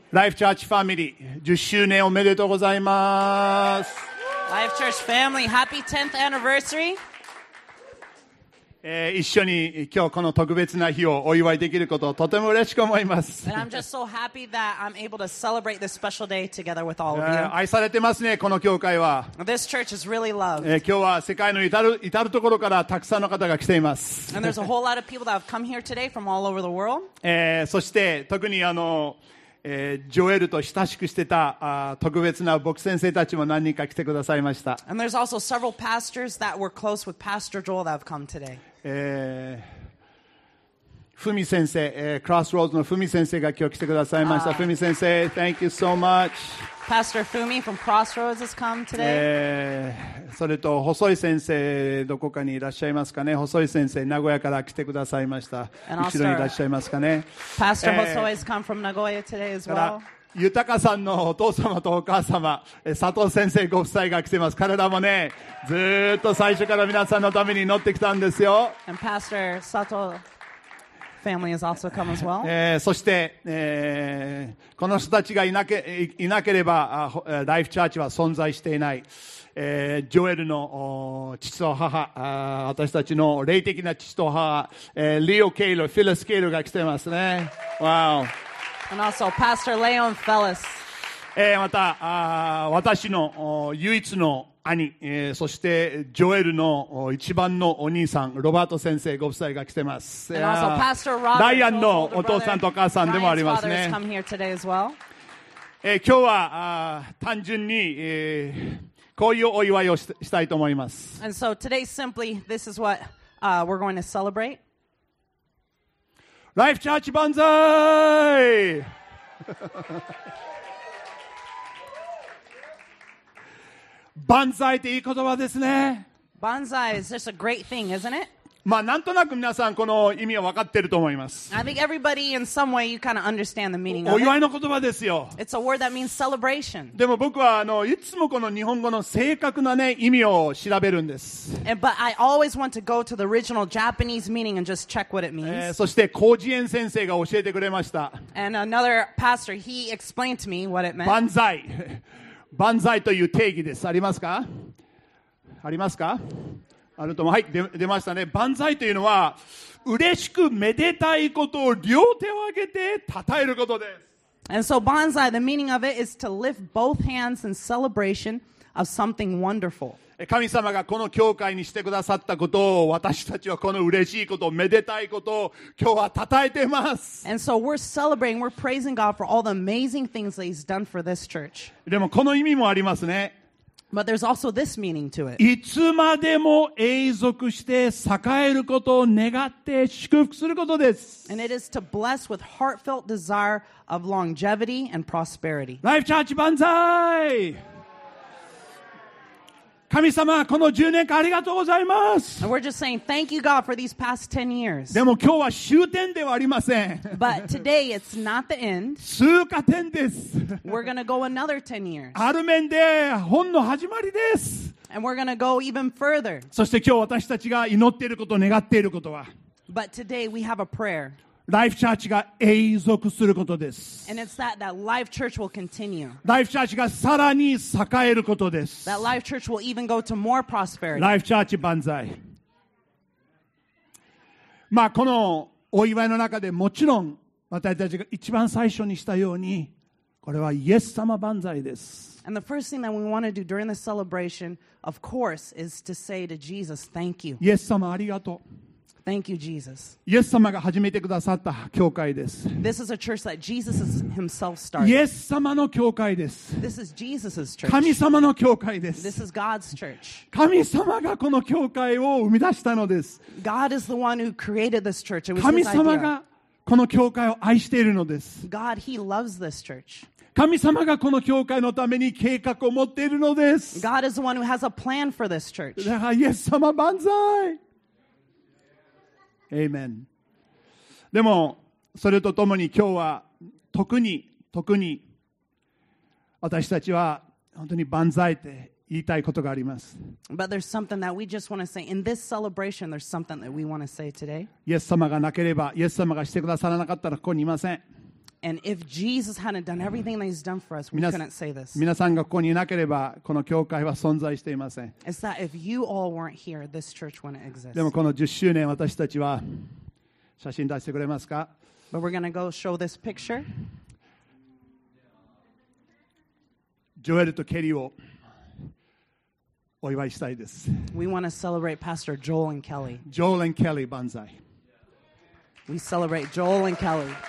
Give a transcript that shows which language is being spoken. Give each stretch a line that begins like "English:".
Japanese: Life Church Family 10周年おめでとうございます。
English: Life Church Family Happy 10th Anniversary。
Japanese: 一緒に今日この特別な日をお祝いできることをとても嬉しく思います。
English: And I'm just so happy that I'm able to celebrate this special day together with all of you.
Japanese: 愛されてますねこの教会は。
English: This church is really loved.
Japanese: 今日は世界の至るところからたくさんの方が来ています。
English: And there's a whole lot of people that have come here today from all over the world.
Japanese: そして特にジョエルと親しくしてた特別な牧師先生たちも何人か来てくださいました。
English: And there's also several pastors that were close with Pastor Joel that have come today.
Japanese: フミ先生、クロスロードのフミ先生が今日来てくださいました。
English: フミ先生、thank you so much. Pastor Fumi from Crossroads has come today.
Japanese: それと細井先生どこかにいらっしゃいますかね。細井先生、名古屋から来てくださいました。後ろにいらっしゃいますかね。
English: Pastor Hosoi has come from Nagoya today as well.
Japanese: 豊さんのお父様とお母様、佐藤先生ご夫妻が来ています。彼らもね、ずっと最初から皆さんのために祈ってきたんですよ。
English: And Pastor Sato family has also come as well.
Japanese: そして、この人たちがいなければ、ライフチャーチは存在していない。ジョエルの父と母、私たちの霊的な父と母、リオ・ケイル、フィルス・ケイルが来ていますね。
English: Wow. And also, Pastor Leon Fellis.
Japanese: また、私の唯一の兄、そしてジョエルの一番のお兄さん、ロバート先生ご夫妻が来てます。
English: And also, Pastor Robert,
Japanese: ダイアンのお父さんとお母さんでもありますね。
English: Ryan's father has come here today as well.
Japanese: 今日は単純に、こういうお祝いをしたいと思います。
English: And so today, simply, this is what, we're going to celebrate. Life Church Banzai!
Japanese: Banzai っていい言葉ですね。
English: Banzai is just a great thing, isn't it?
Japanese: まあ、なんとなく皆さんこの意味は分かってると思います。
English: I think everybody in some way you kind of understand the meaning of it.
Japanese: お祝いの言葉ですよ。
English: It's a word that means celebration.
Japanese: でも僕はいつもこの日本語の正確なね、意味を調べるんです。
English: But I always want to go to the original Japanese meaning and just check what it means.
Japanese: そして、広辞苑先生が教えてくれました。
English: And another pastor, he explained to me what it meant.
Japanese: 万歳。万歳という定義です。ありますか？ありますか？あるとも、はい、出ましたね。万歳というのは、嬉しくめでたいことを両手を挙げて称えることです。
English: And so, banzai, the meaning of it is to lift both hands in celebration of something wonderful.
Japanese: 神様がこの教会にしてくださったことを、私たちはこの嬉しいことを、めでたいことを、今日は称えてます。
English: And so, we're celebrating, we're praising God for all the amazing things that He's done for this church.
Japanese: でも、この意味もありますね。
English: But there's also this meaning to it.
Japanese: いつまでも永続して栄えることを願って祝福することです。
English: And it is to bless with heartfelt desire of longevity and prosperity. Life Church Banzai!
Japanese: 神様、この10年間ありがとうございます。
English: And we're just saying thank you God for these past 10 years.
Japanese: でも今日は終点ではありません。
English: But today it's not the end.
Japanese: 通過点です。
English: We're gonna go another 10 years.
Japanese: ある面で本の始まりです。
English: And we're gonna go even further.
Japanese: そして今日私たちが祈っていること、願っていることは。
English: But today we have a prayer.
Japanese: Life Church が永続することです。
English: And it's that Life Church will continue.
Japanese: Life Church がさらに栄えることです。
English: That Life Church will even go to more prosperity.
Japanese: Life Church 万歳。まあこのお祝いの中でもちろん私たちが一番最初にしたようにこれはイエス様万歳です。
English: And the first thing that we want to do during the celebration, of course, is to say to Jesus, "Thank you."
Japanese: イエス様ありがとう。
English: Thank you, Jesus.
Japanese: イエス様が始めてくださった教会です。
English: This is a church that Jesus himself started.
Japanese: イエス様の教会です。
English: This is Jesus's church.
Japanese: 神様の教会です。
English: This is God's church.
Japanese: 神様がこの教会を生み出したのです。
English: God is the one who created this church. It was his idea.
Japanese: 神様がこの教会を愛しているのです。
English: God, he loves this church.
Japanese: 神様がこの教会のために計画を持っているのです。
English: God is the one who has a plan for this church.
Japanese: だからイエス様万歳。Amen. でもそれとともに今日は特に私たちは本当に万歳って言いたいことがあります。
English: But there's something that we just want to say. In this celebration, there's something that we want to say today.
Japanese: イエス様がなければ、イエス様がしてくださらなかったらここにいません。
English: And if Jesus hadn't done everything that he's done for us, we couldn't say this.
Japanese: 皆さんがここにいなければこの教会は存在していません。
English: It's that if you all weren't here, this church wouldn't exist.
Japanese: でもこの10周年私たちは写真出してくれますか?
English: But we're going to go show this picture.
Japanese: ジョエルとケリーをお祝いしたいです。
English: We want to celebrate Pastor Joel and Kelly. Joel and Kelly, 万歳。 We celebrate Joel and Kelly.